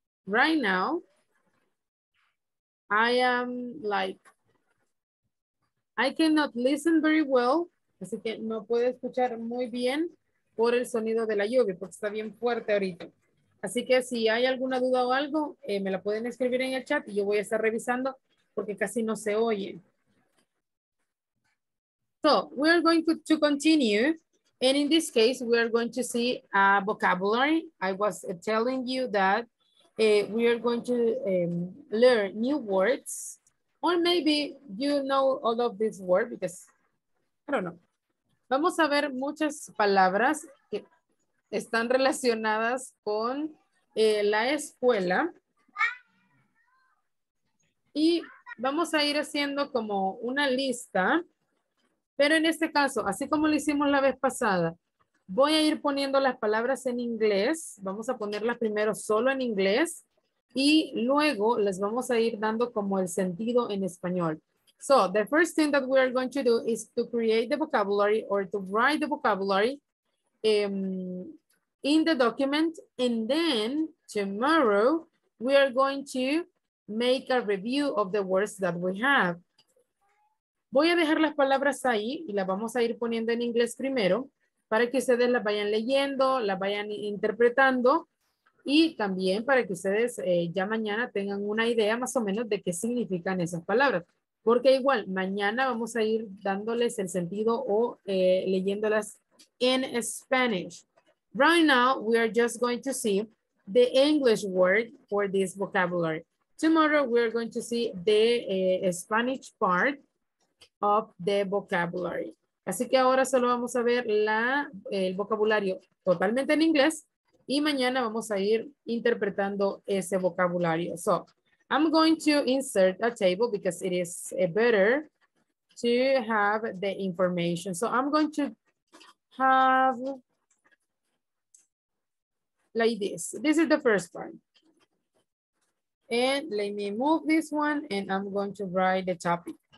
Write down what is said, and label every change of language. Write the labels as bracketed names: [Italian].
[English] Right now, I am like, I cannot listen very well, [Spanish] así que no puedo escuchar muy bien por el sonido de la lluvia, porque está bien fuerte ahorita. Así que si hay alguna duda o algo, me la pueden escribir en el chat y yo voy a estar revisando porque casi no se oye. [English] So, we are going to continue. And in this case, we are going to see a vocabulary. I was telling you that we are going to learn new words, or maybe you know all of these words because, I don't know. [Spanish] Vamos a ver muchas palabras que están relacionadas con la escuela. Y vamos a ir haciendo como una lista, pero en este caso, así como lo hicimos la vez pasada, voy a ir poniendo las palabras en inglés. Vamos a ponerlas primero solo en inglés y luego les vamos a ir dando como el sentido en español. [English] So the first thing that we are going to do is to create the vocabulary or to write the vocabulary in the document, and then tomorrow we are going to make a review of the words that we have. [Spanish] Voy a dejar las palabras ahí y las vamos a ir poniendo en inglés primero para que ustedes las vayan leyendo, las vayan interpretando y también para que ustedes ya mañana tengan una idea más o menos de qué significan esas palabras. Porque igual, mañana vamos a ir dándoles el sentido o leyéndolas en Spanish. [English] Right now, we are just going to see the English word for this vocabulary. Tomorrow, we are going to see the Spanish part of the vocabulary. [Spanish] Así que ahora solo vamos a ver el vocabulario totalmente en inglés y mañana vamos a ir interpretando ese vocabulario. [English] So, I'm going to insert a table because it is better to have the information. So, I'm going to have like this. This is the first part. And let me move this one and I'm going to write the topic.